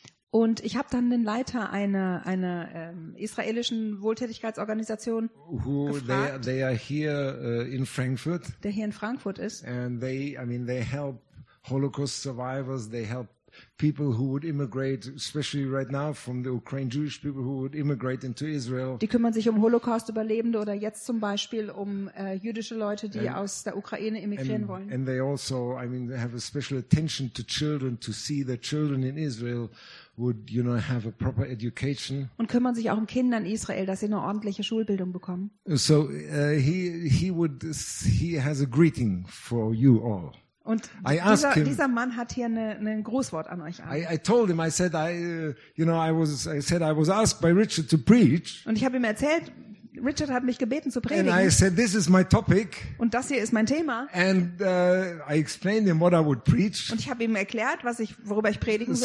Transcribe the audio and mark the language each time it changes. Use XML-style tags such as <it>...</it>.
<de>Und ich habe dann den Leiter einer israelischen Wohltätigkeitsorganisation gefragt.</de> <en>They are here in Frankfurt.</en> <de>Der hier in Frankfurt ist.</de> <en>And they help Holocaust survivors. They help people who would immigrate, especially right now from the Ukraine, Jewish people who would immigrate into Israel.</en> <de>Die kümmern sich um Holocaust-Überlebende oder jetzt zum Beispiel um jüdische Leute, die aus der Ukraine emigrieren wollen.</de> <en>And they also, they have a special attention to children, to see that children in Israel would, you know, have a proper education.</en> <de>Und kümmern sich auch um Kinder in Israel, dass sie eine ordentliche Schulbildung bekommen.</de> <en>So he has a greeting for you all.</en> <de>Und dieser Mann hat hier ein Grußwort an euch.</de> <en>I told him I said I was asked by Richard to preach.</en> <de>Und ich habe ihm erzählt, Richard hat mich gebeten zu predigen.</de> <en>And I said, this is my topic.</en> <de>Und das hier ist mein Thema.</de> <en>And I explained him what I would preach.</en> <de>Und ich habe ihm erklärt, worüber ich predigen würde.</de>